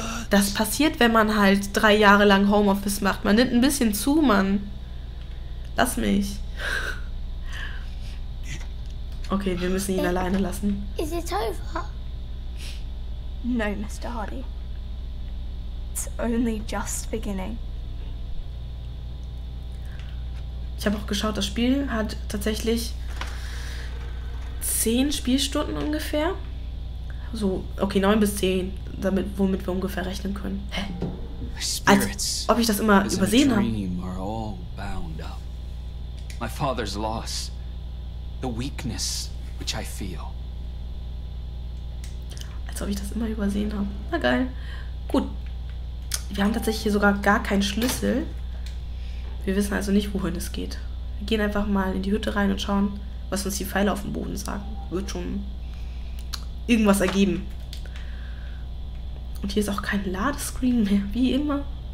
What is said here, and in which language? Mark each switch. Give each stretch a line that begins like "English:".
German: Das passiert, wenn man halt 3 Jahre lang Homeoffice macht. Man nimmt ein bisschen zu, Mann. Lass mich. Okay, wir müssen ihn alleine lassen.
English: Is it over? No, Mr. Hardy. It's only just beginning.
German: Ich habe auch geschaut, das Spiel hat tatsächlich 10 Spielstunden ungefähr. So, okay, 9 bis 10, damit, womit wir ungefähr rechnen können. Hä? Als ob ich das immer übersehen habe.
English: Are all bound up. My father's loss. The weakness, which I feel.
German: Als ob ich das immer übersehen habe. Na geil. Gut. Wir haben tatsächlich hier sogar gar keinen Schlüssel. Wir wissen also nicht, wohin es geht. Wir gehen einfach mal in die Hütte rein und schauen, was uns die Pfeile auf dem Boden sagen. Wird schon irgendwas ergeben. Und hier ist auch kein Ladescreen mehr, wie immer.